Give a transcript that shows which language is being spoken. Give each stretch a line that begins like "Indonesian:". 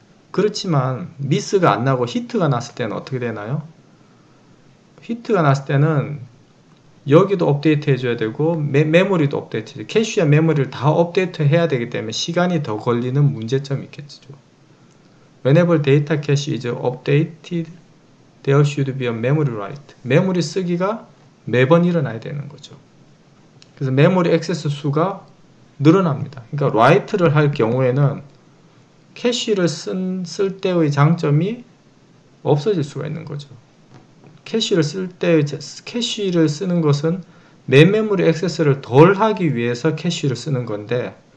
Korean: 그렇지만, 미스가 안 나고 히트가 났을 때는 어떻게 되나요? 히트가 났을 때는 여기도 업데이트 해줘야 되고 메모리도 업데이트 해줘야 되고 캐시와 메모리를 다 업데이트 해야 되기 때문에 시간이 더 걸리는 문제점이 있겠죠.
English: Whenever data cache is updated, there should be a memory write.
Korean: 메모리 쓰기가 매번 일어나야 되는 거죠. 그래서 메모리 액세스 수가 늘어납니다. 그러니까 write를 할 경우에는 캐시를 쓸 때의 장점이 없어질 수가 있는 거죠. 캐시를 쓰는 것은 메모리 액세스를 덜 하기 위해서 캐시를 쓰는 건데,